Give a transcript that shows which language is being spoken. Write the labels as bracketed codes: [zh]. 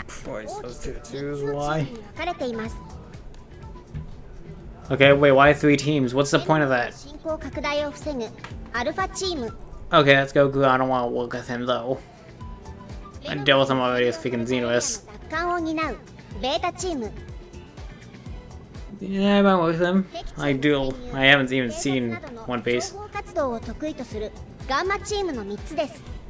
[ja] 大きく分かれています。 [en] Okay, wait, why three teams? What's the point of that? [ja] 進行拡大を防ぐアルファチーム。 [en] Okay, that's Goku. I don't want to work with him though. I dealt with him already with freaking Xenos. [ja] 奪還を担うベータチーム。 [en] Yeah, I'm with him. I do. I haven't even seen One Piece. [ja] 情報活動を得意とするガンマチームの3つです。